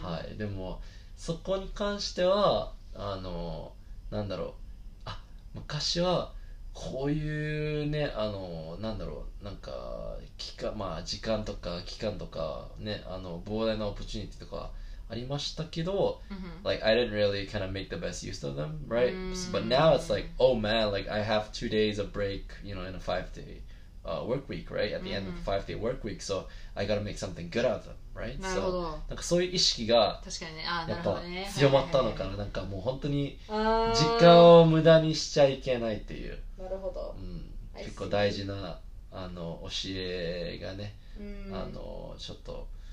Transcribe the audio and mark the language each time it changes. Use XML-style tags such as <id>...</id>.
<ja>はい、でもそこに関してはあのなんだろう、あ、昔はこういうね、あのなんだろう、なんか期間、まあ、時間とか期間とかね、あの膨大なオプチュニティとかありましたけど、うん、</ja> <en>like I didn't really kind of make the best use of them, right? So, but now it's like, oh man, like I have 2 days of break, you know, in a 5 day work week, right? At the end of the 5 day work week, so I gotta make something good out of them, right?</en> <ja>なるほど。 So, なんかそういう意識が、確かにね、あ、なるほどね。やっぱ強まったのかな、はいはい、なんかもう本当に時間を無駄にしちゃいけないっていう。なるほど。うん、結構大事なあの教えがね、あのちょっと。</ja>